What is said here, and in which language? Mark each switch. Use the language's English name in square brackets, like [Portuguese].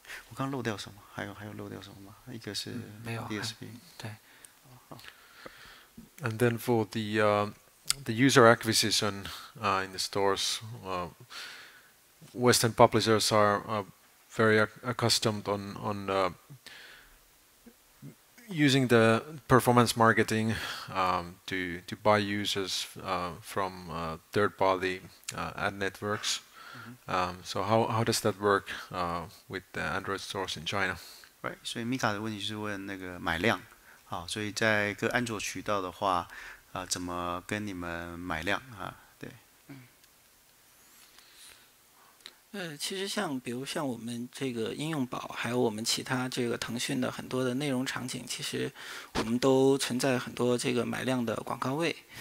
[Chinese] 我刚漏掉什么？还有漏掉什么吗？一个是DSP。没有。对。 [English] And then for the user acquisition in the stores, Western publishers are very accustomed on using the performance marketing to buy users from third party ad networks. So how does that work with the Android stores in China? Right. [Chinese] 所以 Mika 的问题是问那个买量啊，所以在各安卓渠道的话，怎么跟你们买量啊？对。其实像比如像我们这个应用宝，还有我们其他这个腾讯的很多的内容场景，其实我们都存在很多这个买量的广告位。